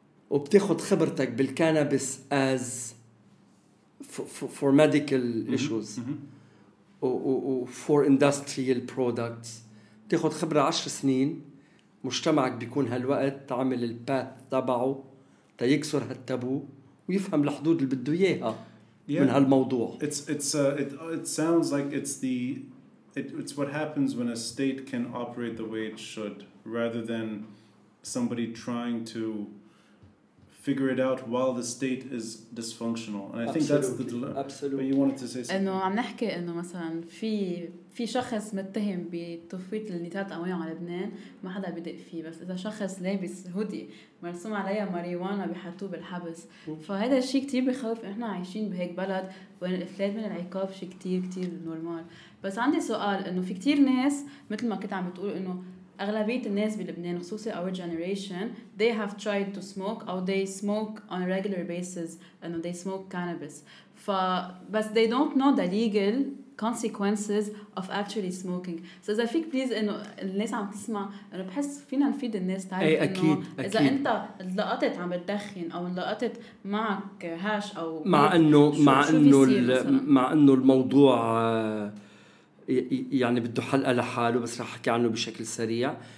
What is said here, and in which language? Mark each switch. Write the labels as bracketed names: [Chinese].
[Arabic] وبتاخد خبرتك بالكانابس [English] as for medical issues for industrial products. [Arabic] بتاخد خبرة 10 سنين، مجتمعك بيكون هالوقت تعمل الباث تبعه تيكسر هالتابو ويفهم الحدود اللي بده إياها. [English] Yeah. [Arabic] من هالموضوع. [English] It sounds like it's what happens when a state can operate the way it should rather than somebody trying to figure it out while the state is dysfunctional. And I think that's the dilemma. Absolutely. But you wanted to say something. [Arabic] إنه عم نحكي إنه مثلاً في شخص متهم بتفويت النتات قوية على لبنان، ما حدا بيدق فيه. بس إذا شخص لابس هودي مرسوم عليها ماريوانا بيحطوه بالحبس. فهذا الشيء كتير بخوف. إحنا عايشين بهيك بلد وين الإفلات من العقاب شيء كتير كتير نورمال. بس عندي سؤال، إنه في كتير ناس مثل ما كنت عم بتقول إنه أغلبية الناس بلبنان خصوصي [English] our generation they have tried to smoke or they smoke on a regular basis and they smoke cannabis. But they don't know the legal consequences of actually smoking. So [Arabic] إذا فيك بليز إنه الناس عم تسمع، أنا بحس فينا نفيد الناس تعرف أي أكيد إنه إذا أنت لقطت عم بتدخن أو لقطت معك هاش أو مع إنه مع إنه الموضوع يعني بده حلقة لحاله، بس رح أحكي عنه بشكل سريع.